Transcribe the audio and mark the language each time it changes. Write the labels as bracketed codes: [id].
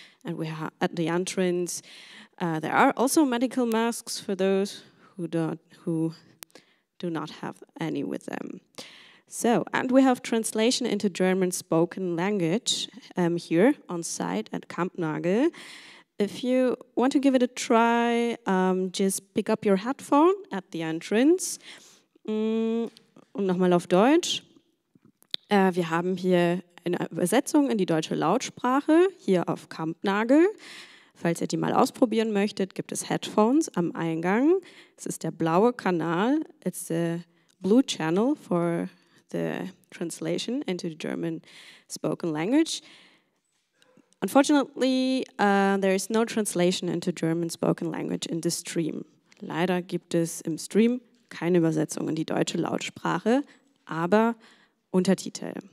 [en] And we have at the entrance, there are also medical masks for those who do not have any with them. So, and we have translation into German spoken language here on site at Kampnagel. If you want to give it a try, just pick up your headphone at the entrance. [de] Und nochmal auf Deutsch. Wir haben hier eine Übersetzung in die deutsche Lautsprache, hier auf Kampnagel. Falls ihr die mal ausprobieren möchtet, gibt es Headphones am Eingang. Es ist der blaue Kanal, [en] it's the blue channel for the translation into the German spoken language. Unfortunately, there is no translation into German spoken language in the stream. [de] Leider gibt es im Stream keine Übersetzung in die deutsche Lautsprache, aber Untertitel.